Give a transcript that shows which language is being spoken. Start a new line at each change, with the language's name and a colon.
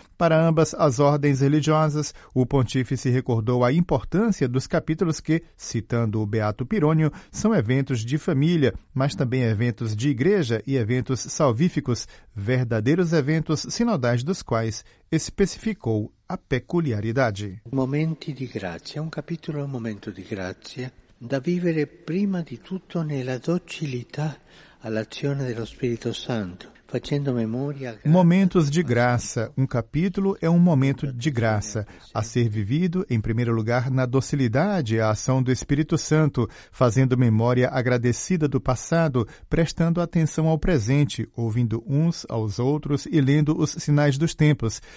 Portuguese: Para ambas as ordens religiosas, o pontífice recordou a importância dos capítulos que, citando o Beato Pirônio, são eventos de família, mas também eventos de igreja e eventos salvíficos, verdadeiros eventos sinodais dos quais especificou a peculiaridade.
Italian: Momenti di grazia,
Portuguese: um capítulo é um momento de
Italian: grazia, da vivere prima di tutto nella docilità all'azione dello Spirito Santo.
Portuguese: Momentos de graça. Um capítulo é um momento de graça, a ser vivido, em primeiro lugar, na docilidade à ação do Espírito Santo, fazendo memória agradecida do passado, prestando atenção ao presente, ouvindo uns aos outros e lendo os sinais dos tempos,